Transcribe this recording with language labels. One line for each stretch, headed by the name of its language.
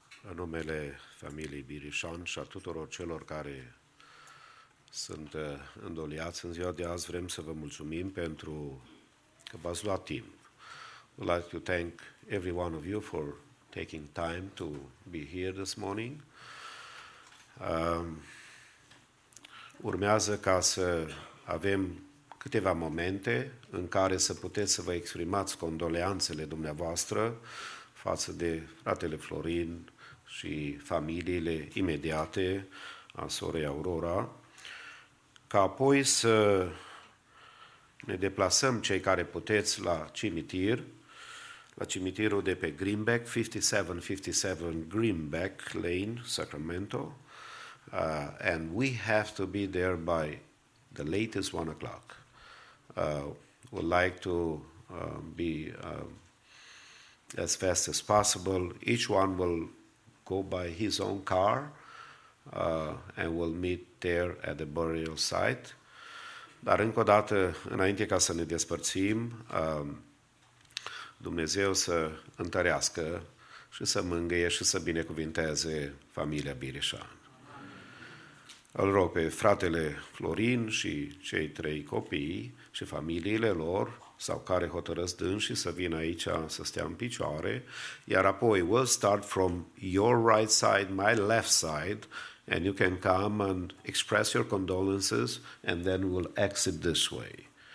Romanian: În numele familiei Birișan și a tuturor celor care sunt îndoliați în ziua de azi, vrem să vă mulțumim pentru că v-ați luat timp.
English: I'd like to thank every one of you for taking time to be here this morning.
Romanian: Urmează ca să avem câteva momente în care să puteți să vă exprimați condoleanțele dumneavoastră față de fratele Florin și familiile imediate a sorei Aurora, ca apoi să ne deplasăm cei care puteți la cimitir, la cimitirul de pe Greenback, 5757 Greenback Lane, Sacramento,
English: and we have to be there by the latest 1 o'clock. Would like to be as fast as possible. Each one will go by his own car and will meet there at the burial site.
Romanian: Dar încă o dată, înainte ca să ne despărțim, Dumnezeu să întărească și să mângâie și să binecuvinteze familia Birișan. Îl rog pe fratele Florin și cei trei copii și familiile lor, sau care hotărăsc dânsii să vină aici să stea în picioare, iar apoi,
English: we'll start from your right side, my left side, and you can come and express your condolences, and then we'll exit this way.